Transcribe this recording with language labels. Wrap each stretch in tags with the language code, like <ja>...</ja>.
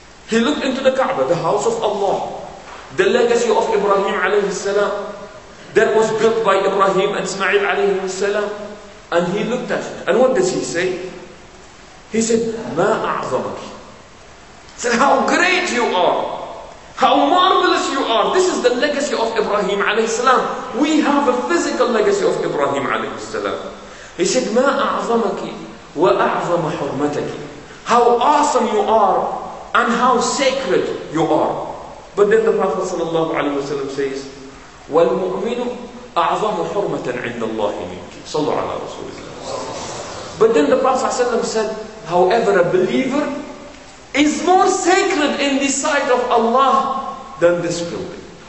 <en>He looked into the Kaaba, the house of Allah, the legacy of Ibrahim alayhi salam, that was built by Ibrahim and Ismail alayhi salam, and he looked at it. And what does he say? He said,</en> <ar>مَا أَعْظَمَكِ.</ar> <en>He said, how great you are. How marvelous you are. This is the legacy of Ibrahim alayhi salam. We have a physical legacy of Ibrahim alayhi salam. He said,</en> <ar>مَا أَعْظَمَكِ وَأَعْظَمَ حُرْمَتَكِ.</ar> <en>How awesome you are and how sacred you are. But then the Prophet sallallahu alayhi wa sallam says,</en> <ar>وَالْمُؤْمِنُ أَعْظَمُ حُرْمَةً عِنَّ اللَّهِ مِنْكِ. صَلُّ عَلَىٰ رَسُولِ اللَّهِ.</ar> <en>But then the Prophet sallallahu alayhi wa sallam said, however, a believer is more sacred in the sight of Allah than this building.</en>